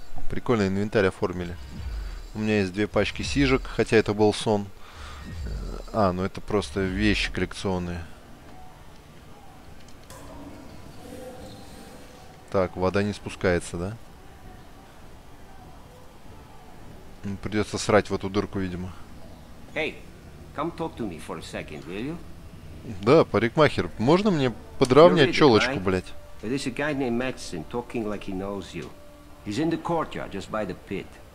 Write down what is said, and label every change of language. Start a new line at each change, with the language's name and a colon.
Russian: Прикольно, инвентарь оформили. У меня есть две пачки сижек, хотя это был сон. А, ну это просто вещи коллекционные. Так, вода не спускается, да? Придется срать в эту дырку, видимо.
English: Hey, come talk to me for a second, will you?
Russian: Да, парикмахер, можно мне подровнять челочку, блядь?
English: He's in the courtyard, just by the pit.